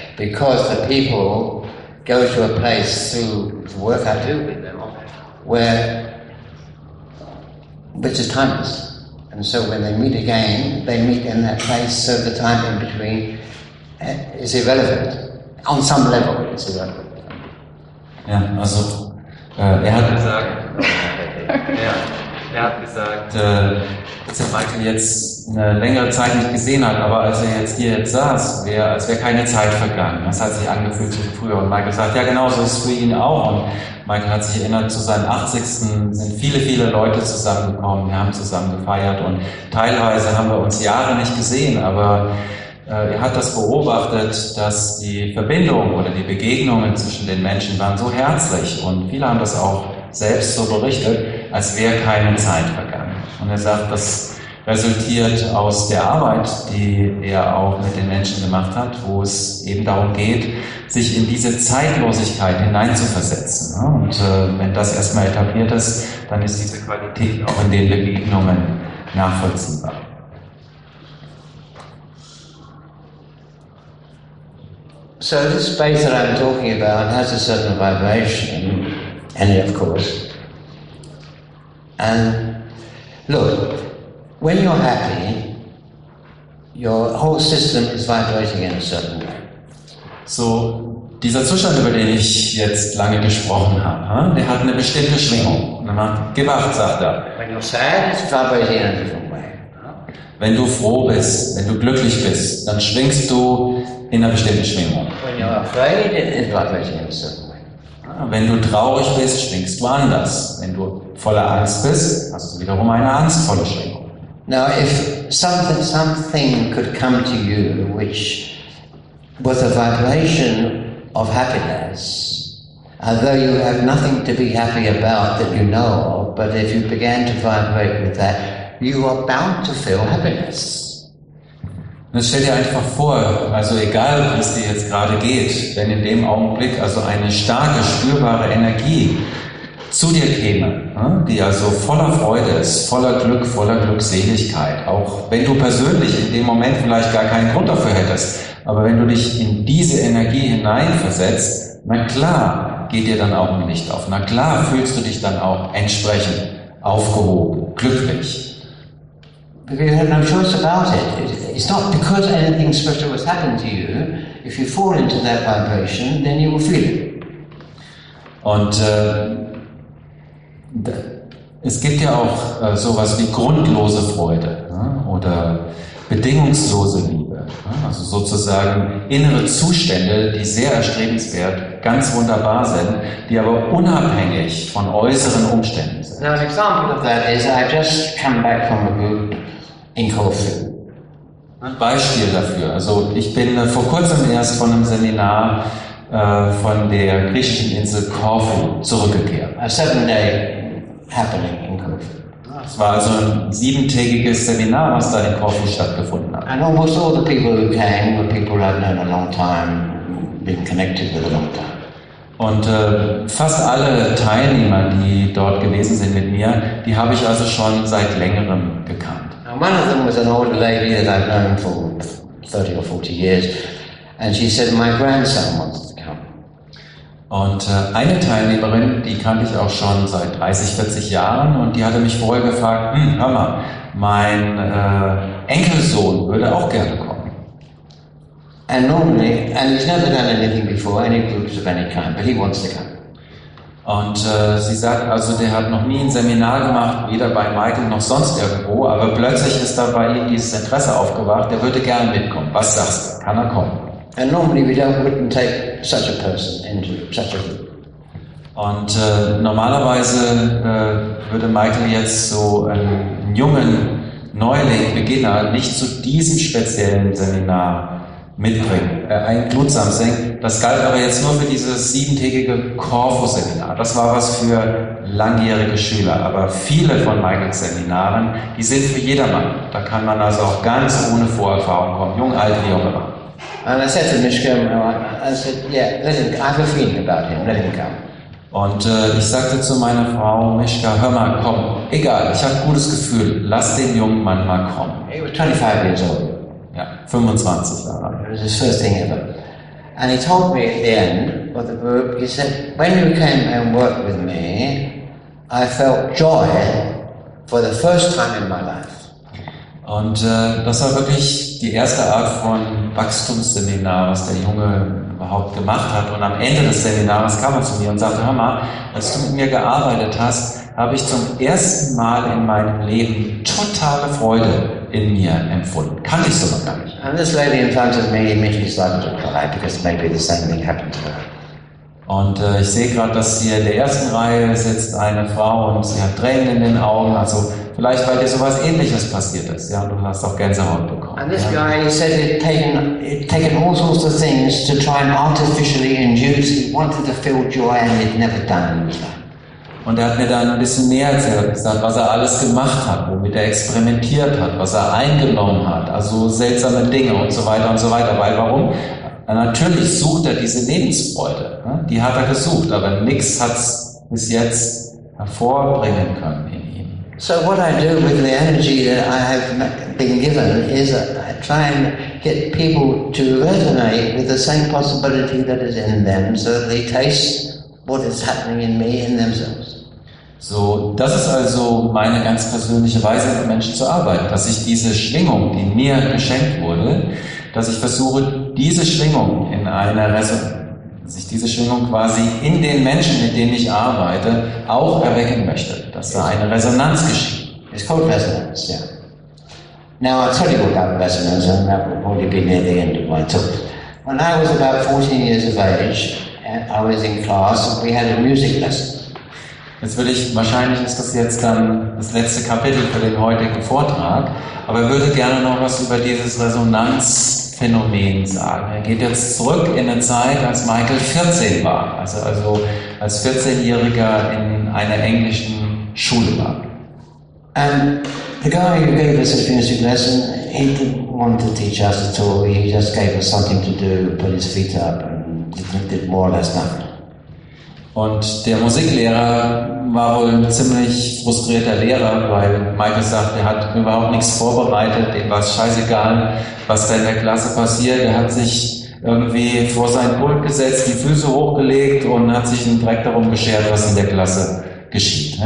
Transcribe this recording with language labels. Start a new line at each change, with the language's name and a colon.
English: Because the people go to a place through the work I do with them, where, which is timeless. And so when they meet again, they meet in that place, so the time in between is irrelevant. On some level, it's irrelevant.
German: Yeah, also, er hat gesagt, dass er Michael jetzt eine längere Zeit nicht gesehen hat, aber als er jetzt hier jetzt saß, als wäre keine Zeit vergangen. Das hat sich angefühlt wie früher. Und Michael sagt, ja genau, so ist es für ihn auch. Und Michael hat sich erinnert, zu seinen 80. sind viele, viele Leute zusammengekommen, wir haben zusammen gefeiert und teilweise haben wir uns Jahre nicht gesehen, aber er hat das beobachtet, dass die Verbindung oder die Begegnungen zwischen den Menschen waren so herzlich und viele haben das auch selbst so berichtet, als wäre keine Zeit vergangen. Und er sagt, das resultiert aus der Arbeit, die er auch mit den Menschen gemacht hat, wo es eben darum geht, sich in diese Zeitlosigkeit hineinzuversetzen. Und wenn das erstmal etabliert ist, dann ist diese Qualität auch in den Begegnungen nachvollziehbar.
English: So this space that I'm talking about has a certain vibration in it, of course. And look, when you're happy, your whole system is vibrating in a certain way.
German: So, dieser Zustand, über den ich jetzt lange gesprochen habe, der hat eine bestimmte Schwingung. Na, gib acht, sagt er.
English: When you're sad, it's vibrating in a different way.
German: Wenn du froh bist, wenn du glücklich bist, dann schwingst du in einer bestimmten Schwingung.
English: When you're afraid, it's vibrating in a certain way.
German: Wenn du traurig bist, schwingst du anders. Wenn du voller Angst bist, hast du wiederum eine angstvolle Schwingung.
English: Now, if something could come to you which was a vibration of happiness, although you have nothing to be happy about that you know of, but if you began to vibrate with that, you are bound to feel happiness.
German: Und stell dir einfach vor, also egal, wie es dir jetzt gerade geht, wenn in dem Augenblick also eine starke, spürbare Energie zu dir käme, die also voller Freude ist, voller Glückseligkeit, auch wenn du persönlich in dem Moment vielleicht gar keinen Grund dafür hättest, aber wenn du dich in diese Energie hineinversetzt, na klar geht dir dann auch ein Licht auf, na klar fühlst du dich dann auch entsprechend aufgehoben, glücklich.
English: But you have no choice about it. It's not because anything special has happened to you. If you fall into that vibration, then you will feel it.
German: Und es gibt ja auch sowas wie grundlose Freude oder bedingungslose Liebe. Also sozusagen innere Zustände, die sehr erstrebenswert, ganz wunderbar sind, die aber unabhängig von äußeren Umständen sind.
English: Now an example of that is I just come back from a group. In Kofi.
German: Ein Beispiel dafür. Also ich bin vor kurzem erst von einem Seminar von der griechischen Insel Korfu zurückgekehrt.
English: A 7-day happening in Kofi.
German: Es war also ein 7-tägiges Seminar, was da in Korfu stattgefunden hat.
English: And almost all the people who came were people I've known a long time, been connected with a long time.
German: Und fast alle Teilnehmer, die dort gewesen sind mit mir, die habe ich also schon seit längerem gekannt.
English: One of them was an older lady that I've known for 30 or 40 years, and she said, my grandson wants to come.
German: Und eine Teilnehmerin, die kannte ich auch schon seit 30, 40 Jahren, und die hatte mich vorher gefragt, hör mal, mein Enkelsohn würde auch gerne kommen.
English: And normally, and he's never done anything before, any groups of any kind, but he wants to come.
German: Und sie sagt also, der hat noch nie ein Seminar gemacht, weder bei Michael noch sonst irgendwo, aber plötzlich ist da bei ihm dieses Interesse aufgewacht, der würde gerne mitkommen. Was sagst du? Kann er kommen?
English: And normally we don't wouldn't take such a person into such a room.
German: Und normalerweise würde Michael jetzt so einen jungen Neuling, Beginner, nicht zu diesem speziellen Seminar mitbringen, einklutsam sein. Das galt aber jetzt nur für dieses siebentägige Corfu-Seminar. Das war was für langjährige Schüler. Aber viele von Michaels Seminaren, die sind für jedermann. Da kann man also auch ganz ohne Vorerfahrung kommen, jung, alt, wie auch immer.
English: And I said to Mishkim, yeah, I have a feeling about him, let him come.
German: Und ich sagte zu meiner Frau Mishka, hör mal, komm, egal, ich habe ein gutes Gefühl, lass den jungen Mann mal kommen.
English: He was 25 years old.
German: Ja, 25 Jahre alt.
English: It was his first thing ever. And he told me at the end of the group, he said, when you came and worked with me, I felt joy for the first time in my life.
German: Und das war wirklich die erste Art von Wachstumsseminar, was der Junge überhaupt gemacht hat. Und am Ende des Seminars kam er zu mir und sagte, hör mal, als du mit mir gearbeitet hast, habe ich zum ersten Mal in meinem Leben totale Freude in mir empfunden. Kann ich so noch gar nicht.
English: And this lady in front of me immediately started to cry, because maybe the same thing happened to her.
German: Und ich sehe gerade, dass hier in der ersten Reihe sitzt eine Frau und sie hat Tränen in den Augen. Also vielleicht, weil dir sowas Ähnliches passiert ist. Ja, du hast auch Gänsehaut bekommen.
English: And this guy, he said it taken all sorts of things to try and artificially induce. He wanted to feel joy and he'd never done it.
German: Und er hat mir dann ein bisschen näher erzählt, gesagt, was er alles gemacht hat, womit er experimentiert hat, was er eingenommen hat, also seltsame Dinge und so weiter und so weiter. Weil warum? Natürlich sucht er diese Lebensfreude. Die hat er gesucht, aber nichts hat es bis jetzt hervorbringen können in ihm.
English: So what I do with the energy that I have been given is I try and get people to resonate with the same possibility that is in them, so that they taste what is happening in me in themselves.
German: So, das ist also meine ganz persönliche Weise, mit Menschen zu arbeiten, dass ich diese Schwingung, die mir geschenkt wurde, dass ich versuche, diese Schwingung in einer sich diese Schwingung quasi in den Menschen, mit denen ich arbeite, auch erwecken möchte, dass da eine Resonanz geschieht.
English: It's called resonance, yeah. Now, I'll tell you about resonance, and that will probably be near the end of my talk. When I was about 14 years of age, and I was in class, and we had a music lesson.
German: Jetzt würde ich, wahrscheinlich ist das jetzt dann das letzte Kapitel für den heutigen Vortrag, aber ich würde gerne noch was über dieses Resonanzphänomen sagen. Er geht jetzt zurück in eine Zeit, als Michael 14 war, also als 14-Jähriger in einer englischen Schule war.
English: The guy who gave us a music lesson, he didn't want to teach us at all, he just gave us something to do, put his feet up and did more or less nothing.
German: Und der Musiklehrer war wohl ein ziemlich frustrierter Lehrer, weil Michael sagt, er hat überhaupt nichts vorbereitet, dem war es scheißegal, was da in der Klasse passiert. Er hat sich irgendwie vor sein Pult gesetzt, die Füße hochgelegt und hat sich einen Dreck darum geschert, was in der Klasse geschieht.